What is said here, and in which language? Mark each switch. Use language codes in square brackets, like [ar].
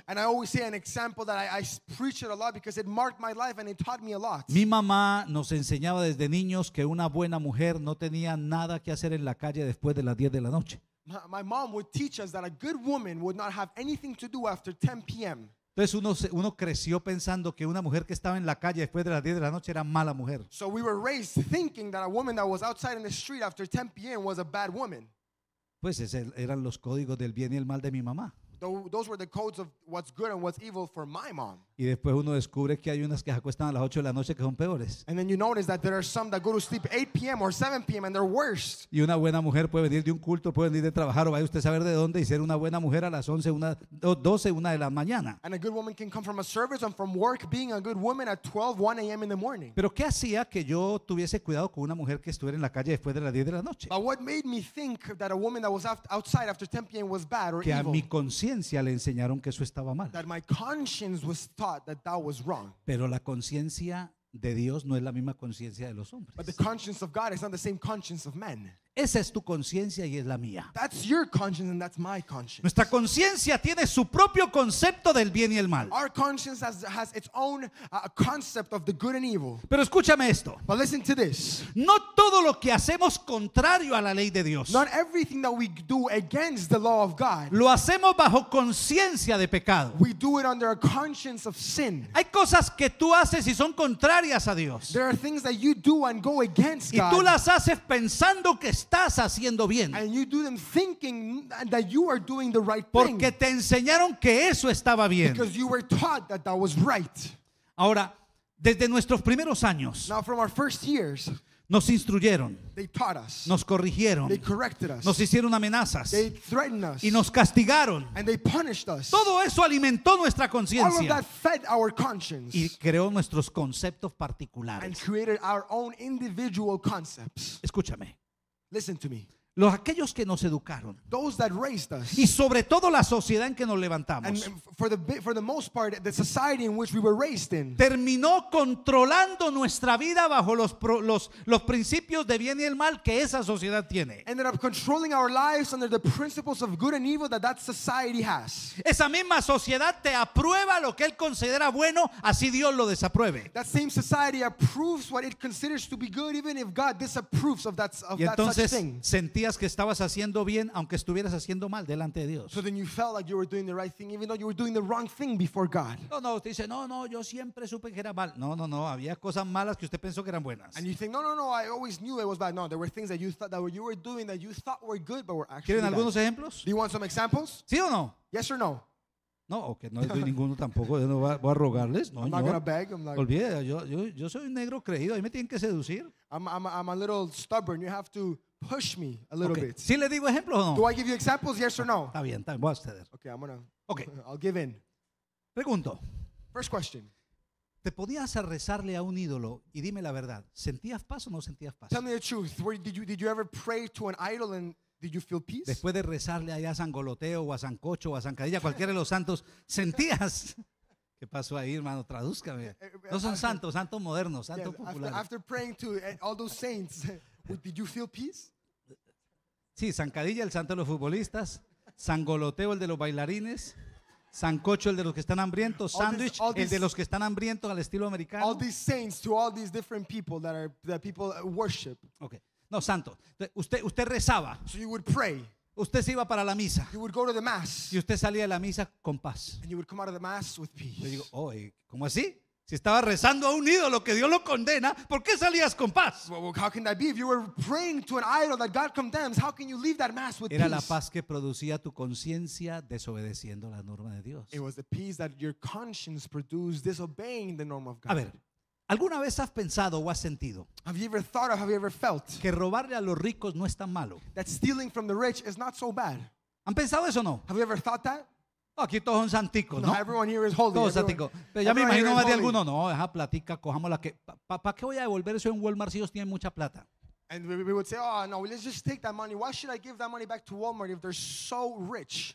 [en] And I always say an example that I preach it a lot because it marked my life and it taught me a lot. [es] Mi mamá nos enseñaba desde niños que una buena mujer no tenía nada que hacer en la calle después de las 10 de la noche. [en] My mom would teach us that a good woman would not have anything to do after 10 p.m. [es] Entonces uno creció pensando que una mujer que estaba en la calle después de las 10 de la noche era mala mujer. [en] So we were raised thinking that a woman that was outside in the street after 10 p.m. was a bad woman. [es] Pues ese eran los códigos del bien y el mal de mi mamá. [en] Those were the codes of what's good and what's evil for my mom. [es] Y después uno descubre que hay unas que se acuestan a las 8 de la noche que son peores. [en] And then you notice that there are some that go to sleep 8 p.m. or 7 p.m. and they're worse. [es] Y una buena mujer puede venir de un culto, puede venir de trabajar, o vaya usted a saber de dónde y ser una buena mujer a las 11, 12, 1 de la mañana. [en] And a good woman can come from a service and from work being a good woman at 12, 1 a.m. in the morning. [es] Pero ¿qué hacía que yo tuviese cuidado con una mujer que estuviera en la calle después de las 10 de la noche? [en] But what made me think that a woman that was outside after 10 p.m. was bad or [es] que [en] evil? [es] Que a mi conciencia le enseñaron que eso estaba mal. [en] That my conscience was taught that that was wrong. [es] Pero la conciencia de Dios no es la misma conciencia de los hombres. [en] But the conscience of God is not the same conscience of men. [es] Esa es tu conciencia y es la mía. [en] That's your conscience and that's my conscience. [es] Nuestra conciencia tiene su propio concepto del bien y el mal. [en] Our conscience has its own concept of the good and evil. [es] Pero escúchame esto. [en] But listen to this. [es] No todo lo que hacemos contrario a la ley de Dios. [en] Not everything that we do against the law of God. [es] Lo hacemos bajo conciencia de pecado. [en] We do it under a conscience of sin. [es] Hay cosas que tú haces y son contrarias a Dios. [en] There are things that you do and go against God. [es] Y tú las haces pensando que estás haciendo bien. [en] And you do them thinking that you are doing the right thing. [es] Porque te enseñaron que eso estaba bien. [en] Because you were taught that that was right. [es] Ahora, desde nuestros primeros años, [en] now from our first years, [es] nos instruyeron, [en] they taught us, [es] nos corrigieron, [en] they corrected us, [es] nos hicieron amenazas, [en] they threatened us, [es] y nos castigaron, [en] and they punished us. [es] Todo eso alimentó nuestra conciencia, [en] all of that fed our conscience, [es] y creó nuestros conceptos particulares, [en] and created our own individual concepts. [es] Escúchame. [en] Listen to me. [es] Los aquellos que nos educaron, [en] those that raised us, [es] y sobre todo la sociedad en que nos levantamos, [en] and for the most part, the society in which we were raised in, [es] terminó controlando nuestra vida bajo los principios de bien y el mal que esa sociedad tiene. [en] Ended up controlling our lives under the principles of good and evil that society has. [es] Esa misma sociedad te aprueba lo que él considera bueno, así Dios lo desapruebe. [en] That same society approves what it considers to be good, even if God disapproves of that of [es] y entonces, [en] that such thing. [es] Sentías que estabas haciendo bien aunque estuvieras haciendo mal delante de Dios. [en] So then you felt like you were doing the right thing even though you were doing the wrong thing before God. [es] No, usted dice, no, yo siempre supe que era mal. No, había cosas malas que usted pensó que eran buenas. [en] And you think, no, I always knew it was bad. No, there were things that you thought that you were doing that you thought were good but were actually [es] ¿quieren [en] bad. [es] Algunos ejemplos? [en] Do you want some examples? [es] ¿Sí o no? [en] Yes or no? [es] No, okay, no doy ninguno tampoco, yo no voy a rogarles, no, [en] I'm not gonna beg, I'm not [es] olvide, yo soy un negro creído, ahí me tienen que seducir. [en] I'm a little stubborn, you have to push me a little okay. Bit. [es] ¿Sí le digo ejemplos o no? [en] Do I give you examples, yes or no? [es] Está bien, voy a ceder. [en] Okay, I'm gonna, okay. I'll give in. [es] Pregunto. [en] First question. [es] ¿Te podías a rezarle a un ídolo y dime la verdad, sentías paz o no sentías paz? [en] Tell me the truth, did you ever pray to an idol and did you feel peace? [es] Después de rezarle allá a San Goloteo o a San Cocho o a San Cadilla, cualquiera de los santos, ¿sentías? ¿Qué pasó ahí, hermano? Tradúzcame. No son santos modernos, santos populares. [en] After praying to all those saints, did you feel peace? [es] Sí, San Cadilla, el santo de los futbolistas, San Goloteo, el de los bailarines, San Cocho, el de los que están hambrientos, Sandwich, el de los que están hambrientos al estilo americano. [en] All these saints to all these different people that people worship. [es] Okay. No, santo. Usted rezaba. [en] So you would pray. [es] Usted se iba para la misa. [en] You would go to the mass. [es] Y usted salía de la misa con paz. [en] And you would come out of the mass with peace. [es] Yo digo, oh, ¿cómo así? Si estaba rezando a un ídolo que Dios lo condena, ¿por qué salías con paz? [en] Well, how can that be? If you were praying to an idol that God condemns, how can you leave that mass with peace? [es] Era la paz que producía tu conciencia desobedeciendo la norma de Dios. [en] It was the peace that your conscience produced disobeying the norm of God. [es] A ver, ¿alguna vez has pensado o has sentido? [en] Have you ever thought or have you ever felt? [es] Que robarle a los ricos no es tan malo. [en] That stealing from the rich is not so bad. [es] ¿Han pensado eso o no? [en] Have you ever thought that? [es] Aquí todos son santicos, ¿no? [en] No, everyone here is holy. [es] Todos santicos. Pero ya me imagino más de alguno. No, deja platica, cojamos la que... ¿Para qué voy a devolver eso en Walmart si ellos tienen mucha plata? [en] And we would say, oh, no, let's just take that money. Why should I give that money back to Walmart if they're so rich?